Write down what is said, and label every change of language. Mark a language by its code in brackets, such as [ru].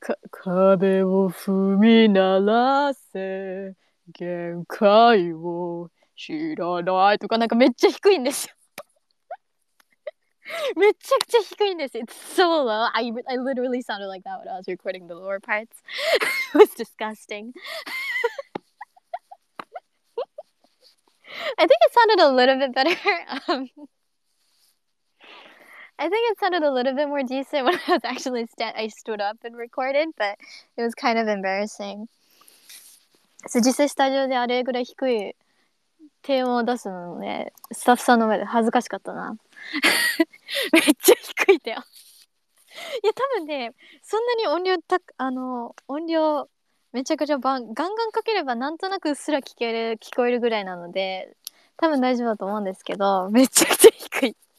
[ja] 壁を踏み鳴らせ限界を知らないとかなんかめっちゃ低いんですよ。めちゃくちゃ低いんです。 [en] It's so low. I literally sounded like that when I was recording the lower parts. It was disgusting. I think it sounded a little bit better. I think it sounded a little bit more decent when I was actually I stood up and recorded, but it was kind of embarrassing. [ja] So, 実際スタジオであれぐらい低い低音を出すのね、スタッフさんの前で恥ずかしかったな。めっちゃ低いだよ。いや多分ね、そんなに音量た、あの、音量めちゃくちゃガンガンかければなんとなくうっすら聞こえるぐらいなので、多分大丈夫だと思うんですけど、めちゃくちゃ低い。